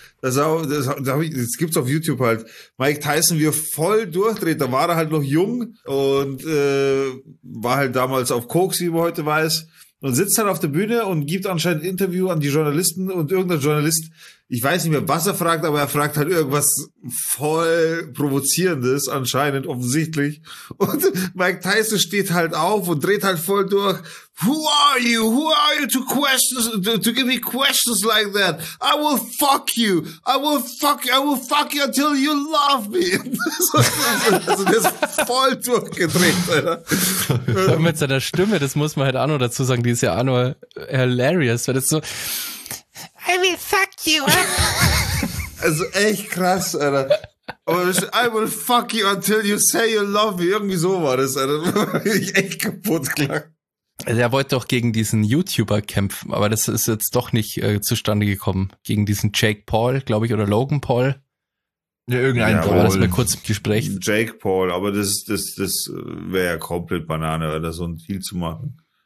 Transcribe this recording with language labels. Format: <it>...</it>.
<de>Das gibt's auf YouTube halt. Mike Tyson, wie er voll durchdreht, da war er halt noch jung und war halt damals auf Koks, wie man heute weiß. Und sitzt halt auf der Bühne und gibt anscheinend ein Interview an die Journalisten und irgendein Journalist ich weiß nicht mehr, was er fragt, aber er fragt halt irgendwas voll Provozierendes anscheinend, offensichtlich. Und Mike Tyson steht halt auf und dreht halt voll durch.</de> <en>Who are you to questions, to give me questions like that? I will fuck you. I will fuck you until you love me.</en> <de>Also der ist voll durchgedreht, Alter. Und mit seiner Stimme, das muss man halt auch noch dazu sagen, die ist ja auch nur hilarious, weil das so...</de> <en>I will fuck you.</en> <de>Also echt krass, Alter. Aber</de> <en>I will fuck you until you say you love me.</en> <de>Irgendwie so war das, Alter. Ich echt kaputt klang. Der wollte doch gegen diesen YouTuber kämpfen, aber das ist jetzt doch nicht zustande gekommen. Gegen diesen Jake Paul, glaube ich, oder Logan Paul. Ja, irgendein Paul. Ja, das war kurz im Gespräch. Jake Paul, aber das wäre ja komplett Banane, oder so ein Deal zu machen.</de>